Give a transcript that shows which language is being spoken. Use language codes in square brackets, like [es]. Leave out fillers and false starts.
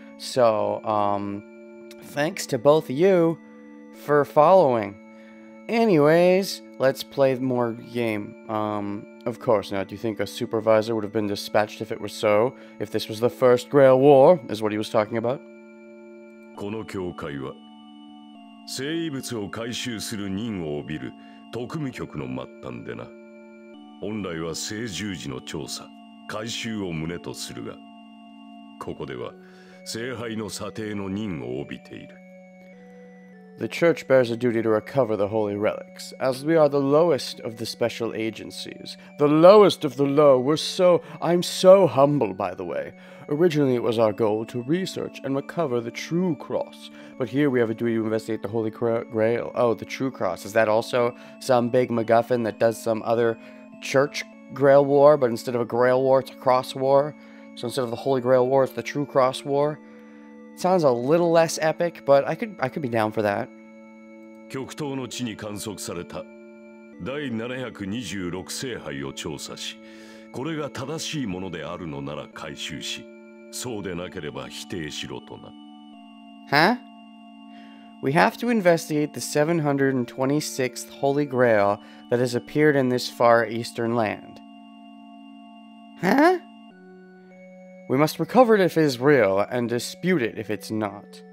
[en] So, thanks to both of you for following. Anyways, let's play more game. Of course, now, do you think a supervisor would have been dispatched if it were so? If this was the first Grail War, is what he was talking about. [ja] この教会は生遺物を回収する任を帯びる特務局の末端でな。本来は聖十字の調査、回収を旨とするが、ここでは聖杯の査定の任を帯びている。 [en] The church bears a duty to recover the holy relics, as we are the lowest of the special agencies. The lowest of the low, I'm so humble, by the way. Originally, it was our goal to research and recover the true cross, but here we have a duty to investigate the holy grail. Oh, the true cross. Is that also some big MacGuffin that does some other church grail war, but instead of a grail war, it's a cross war? So instead of the holy grail war, it's the true cross war? Sounds a little less epic, but I could be down for that. [ja] 極東の地に観測された第726聖杯を調査し、これが正しいものであるのなら回収し、そうでなければ否定しろとな。 [en] Huh? We have to investigate the 726th Holy Grail that has appeared in this far eastern land. Huh? We must recover it if it is real, and dispute it if it's not.